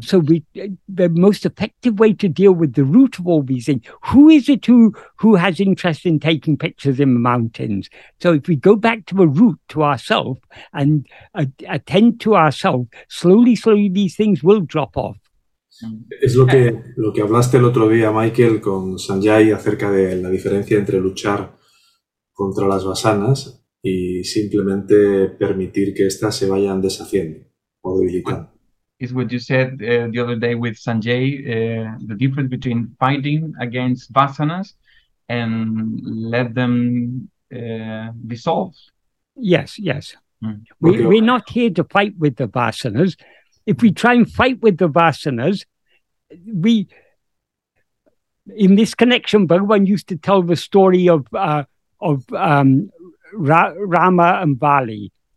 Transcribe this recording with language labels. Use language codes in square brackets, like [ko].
[en] So the most effective way to deal with the root of all these things, who is it who has interest in taking pictures in the mountains? So if we go back to the root, to ourself, and attend to ourself, slowly, slowly, these things will drop off. [es] Es lo que hablaste el otro día, Michael, con Sanjay, acerca de la diferencia entre luchar contra las vasanas y simplemente permitir que éstas se vayan deshaciendo o debilitando. [en] Is what you said the other day with Sanjay, the difference between fighting against vasanas and let them dissolve. Yes, yes. Mm. We're not here to fight with the vasanas. If we try and fight with the vasanas, we, in this connection, Bhagavan used to tell the story of Rama and Bali.